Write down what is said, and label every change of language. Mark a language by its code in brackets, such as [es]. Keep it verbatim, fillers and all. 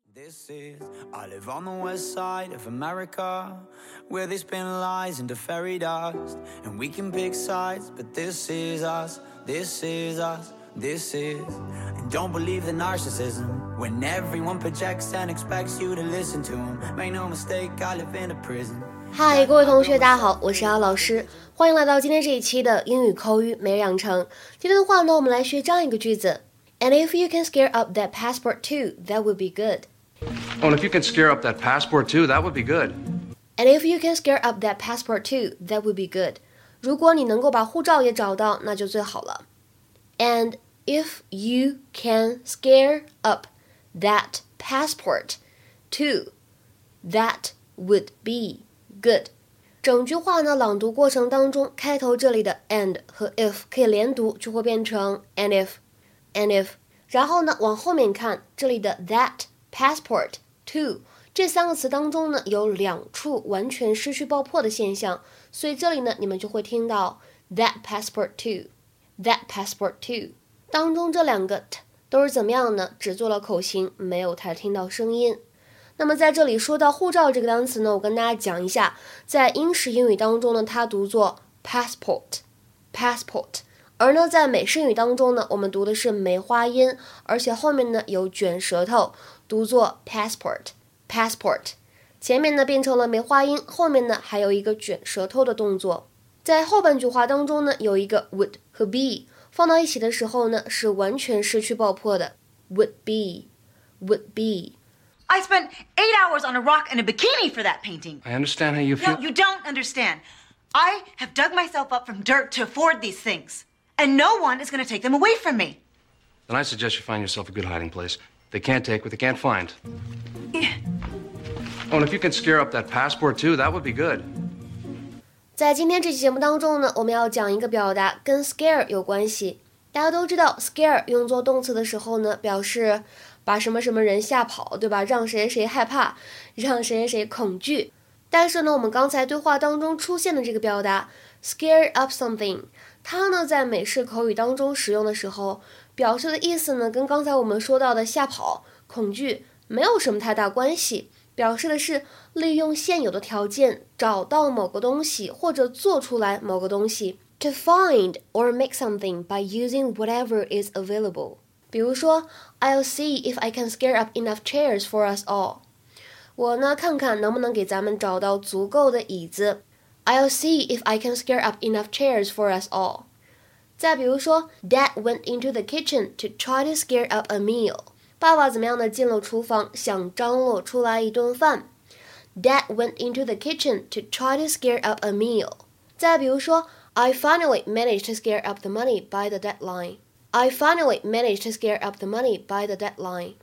[en] This is, I live on the west side of America, where they spin lies into fairy dust, and we can pick sides, but this is us, this is us, this is. And don't believe the narcissism, when everyone projects and expects you to listen to them. Make no mistake, I live in a prison. [zh] 嗨，各位同学，大家好，我是姚老师，欢迎来到今天这一期的英语口语每日养成。今天的话呢，我们来学这样一个句子 [en] ：And if you can scare up that passport too, that would be good. Oh, and if you can scare up that passport too, that would be good. And if you can scare up that passport too, that would be good. [zh] 如果你能够把护照也找到，那就最好了。 [en] And if you can scare up that passport too, that would be good. [zh] 整句话呢，朗读过程当中，开头这里的 and 和 if 可以连读，就会变成 [en] and if, and if. [zh] 然后呢，往后面看，这里的 that passport to 这三个词当中呢，有两处完全失去爆破的现象，所以这里呢，你们就会听到 [en] that passport to that passport to [zh] 当中这两个 t 都是怎么样呢？只做了口型，没有太听到声音。那么在这里说到护照这个单词呢，我跟大家讲一下，在英式英语当中呢，它读作 passport passport。而呢，在美式英语当中呢，我们读的是梅花音，而且后面呢有卷舌头，读作 passport passport。前面呢变成了梅花音，后面呢还有一个卷舌头的动作。在后半句话当中呢，有一个 would 和 be 放到一起的时候呢，是完全失去爆破的 [en] would be would be。 I spent eight hours on a rock and a bikini for that painting. I understand how you feel. No, you don't understand. I have dug myself up from dirt to afford these things. And no one is going to take them away from me. Then I suggest you find yourself a good hiding place. They can't take what they can't find. Yeah. Oh, and if you can scare up that passport too, that would be good. [zh] 在今天这期节目当中呢，我们要讲一个表达跟 scare 有关系。大家都知道 scare 用作动词的时候呢，表示把什么什么人吓跑，对吧？让谁谁害怕，让谁谁恐惧。但是呢，我们刚才对话当中出现的这个表达 scare up something，它呢在美式口语当中使用的时候，表示的意思呢跟刚才我们说到的吓跑、恐惧没有什么太大关系，表示的是利用现有的条件找到某个东西或者做出来某个东西。 [en] To find or make something by using whatever is available。 [zh] 比如说 [en] ，I'll see if I can scare up enough chairs for us all。 [zh] 我呢看看能不能给咱们找到足够的椅子。 [en] I'll see if I can scare up enough chairs for us all. [zh] 再比如说 [en] Dad went into the kitchen to try to scare up a meal. [zh] 爸爸怎么样呢进了厨房，想张罗出来一顿饭。 [en] Dad went into the kitchen to try to scare up a meal. [zh] 再比如说 [en] I finally managed to scare up the money by the deadline. I finally managed to scare up the money by the deadline.